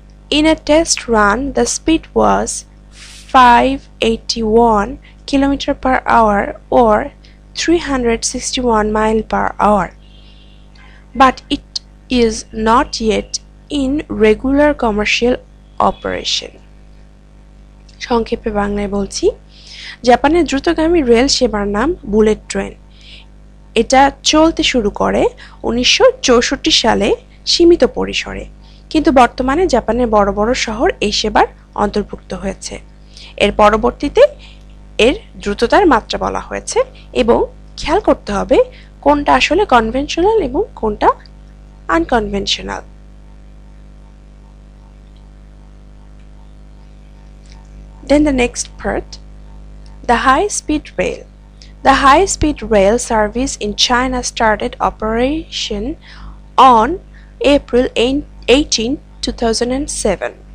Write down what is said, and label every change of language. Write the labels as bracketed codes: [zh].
[en] In a test run, the speed was 581 km per hour or 361 mile per hour, but it is not yet in regular commercial operation. [bn] সংক্ষেপে বাংলায় বলছি, জাপানের দ্রুতগামী rail সেবার নাম bullet train. এটা চলতে শুরু করে 1964 সালে সীমিত পরিসরে, কিন্তু বর্তমানে জাপানের বড় বড় শহর এই সেবার অন্তর্ভুক্ত হয়েছে। এর পরবর্তীতে এর দ্রুততার মাত্রা বলা হয়েছে, এবং খেয়াল করতে হবে কোনটা আসলে কনভেনশনাল এবং কোনটা unconventional. [en] Then the next part, the high speed rail. The high speed rail service in China started operation on April 18, 2007.